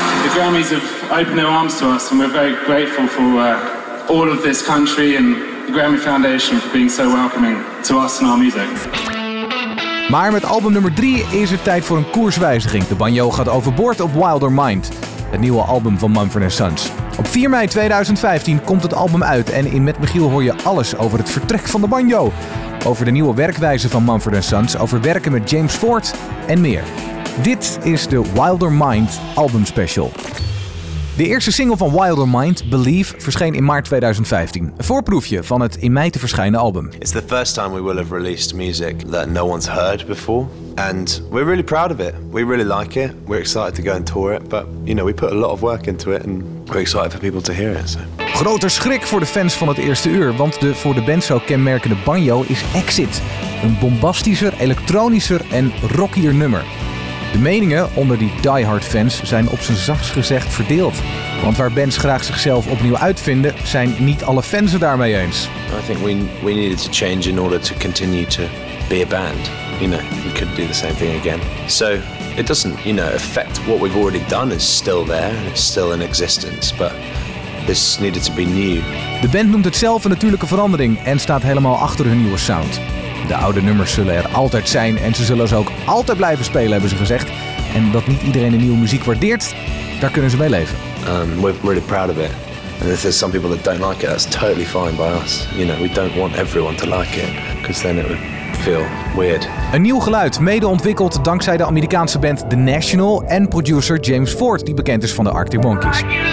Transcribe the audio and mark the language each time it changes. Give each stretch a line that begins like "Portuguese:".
English: Grammys have opened their arms to us, and we're very grateful for all of this country and the Grammy Foundation for being so welcoming to us and our music.
Dutch: Maar met album nummer 3 is het tijd voor een koerswijziging. De banjo gaat overboord op Wilder Mind, het nieuwe album van Mumford & Sons. Op 4 mei 2015 komt het album uit en in Met Michiel hoor je alles over het vertrek van de banjo. Over de nieuwe werkwijze van Mumford & Sons, over werken met James Ford en meer. Dit is de Wilder Mind album special. De eerste single van Wilder Mind, Believe, verscheen in maart 2015. Een voorproefje van het in mei te verschijnen album.
English: It's the first time we will have released music that no one's heard before. And we're really proud of it. We really like it. We're excited to go and tour it. But, you know, we put a lot of work into it. And we're excited for people to hear it. So.
Dutch: Groter schrik voor de fans van het eerste uur, want de voor de band zo kenmerkende banjo is Exit. Een bombastischer, elektronischer en rockier nummer. De meningen onder die diehard fans zijn op zijn zachtst gezegd verdeeld. Want waar bands graag zichzelf opnieuw uitvinden, zijn niet alle fans het daarmee eens.
English: I think we needed to change in order to continue to be a band. You know, we couldn't do the same thing again. So it doesn't, you know, affect what we've already done is still there and it's still in existence, but this needed to be new.
Dutch: De band noemt het zelf een natuurlijke verandering en staat helemaal achter hun nieuwe sound. De oude nummers zullen er altijd zijn en ze zullen ze ook altijd blijven spelen, hebben ze gezegd. En dat niet iedereen de nieuwe muziek waardeert, daar kunnen ze mee leven.
English: We're really proud of it. And if there's some people that don't like it, that's totally fine by us. You know, we don't want everyone to like it, because then it would feel weird.
Dutch: Een nieuw geluid, mede ontwikkeld dankzij de Amerikaanse band The National en producer James Ford, die bekend is van de Arctic Monkeys.